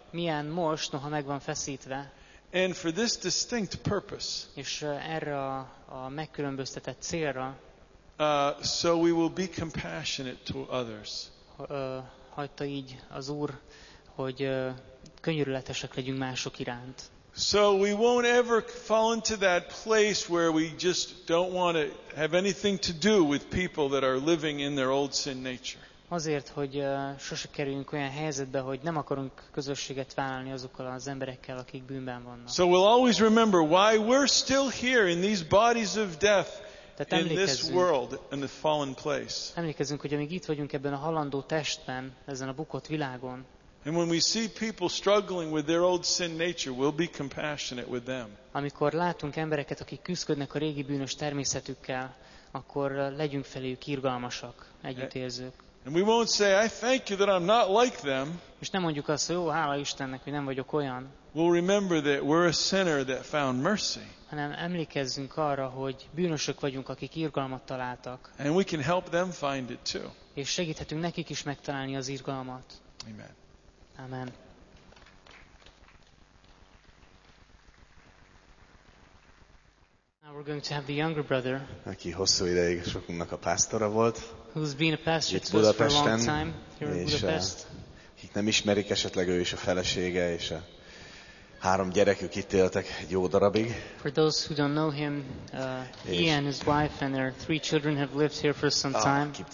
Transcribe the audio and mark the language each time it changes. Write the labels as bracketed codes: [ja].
[hu] Milyen most, noha meg van feszítve. [en] And for this distinct purpose. [hu] És erre a megkülönböztetett célra. [en] So we will be compassionate to others. [hu] Hagyta így az Úr, hogy könyörületesek legyünk mások iránt. [en] So we won't ever fall into that place where we just don't want to have anything to do with people that are living in their old sin nature. [hu] Azért, hogy sose kerüljünk olyan helyzetbe, hogy nem akarunk közösséget vállalni azokkal az emberekkel, akik bűnben vannak. [en] So we'll always remember why we're still here in these bodies of death. In this world, in the fallen place. [hu] Emlékezzünk, hogy amíg itt vagyunk ebben a halandó testben, ezen a bukott világon. [en] And when we see people struggling with their old sin nature, we'll be compassionate with them. [hu] Amikor látunk embereket, akik küzdködnek a régi bűnös természetükkel, akkor legyünk feléjük irgalmasak, együttérzők. [en] And we won't say, I thank you that I'm not like them. [hu] És nem mondjuk azt, hogy ó, hála Istennek, hogy nem vagyok olyan. [en] We'll remember that we're a sinner that found mercy. [hu] Hanem emlékezzünk arra, hogy bűnösök vagyunk, akik irgalmat találtak. [en] And we can help them find it too. [hu] És segíthetünk nekik is megtalálni az irgalmat. [en] Amen. [hu] Amen. [en] Now we're going to have the younger brother. [hu] Aki hosszú ideig sokunknak a pásztora volt. [en] Who's been a pastor to us for a long time here in Budapest. [hu] Akik nem ismerik, esetleg ő is a felesége és a három gyerekük itt éltek egy jó darabig. [en] For those who don't know him, he and his wife and their three children have lived here for some time.